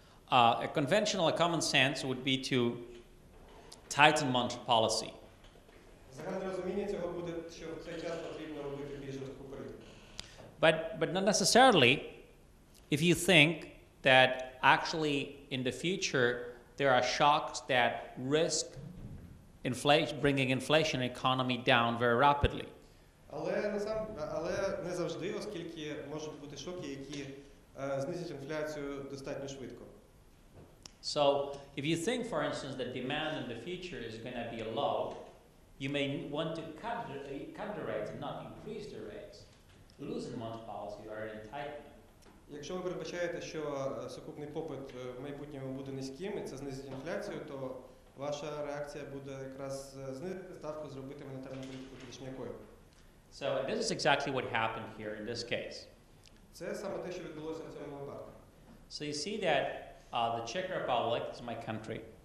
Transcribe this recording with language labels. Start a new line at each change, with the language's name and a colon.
English: A conventional common sense would be to tighten monetary policy.
Ukrainian: Загальне розуміння цього буде, що в цей час потрібно робити більш жорстку політику.
English: But not necessarily, if you think that actually in the future there are shocks that risk bringing inflation economy down very rapidly.
Ukrainian: Але не завжди, оскільки можуть бути шоки, які знизять інфляцію достатньо швидко.
English: So, if you think, for instance, that demand in the future is going to be low, you may want to cut the rates and not increase the rates. Losing monetary policy or in tightening.
Ukrainian: Якщо ви передбачаєте, що сукупний попит в майбутньому буде низьким, і це знизить інфляцію, то ваша реакція буде якраз знизити ставку, зробити монетарну політику більш м'якою.
English: So this is exactly what happened here in this case.
Ukrainian: Це саме те, що відбулося в цьому випадку.
English: So you see that the Czech Republic is my country.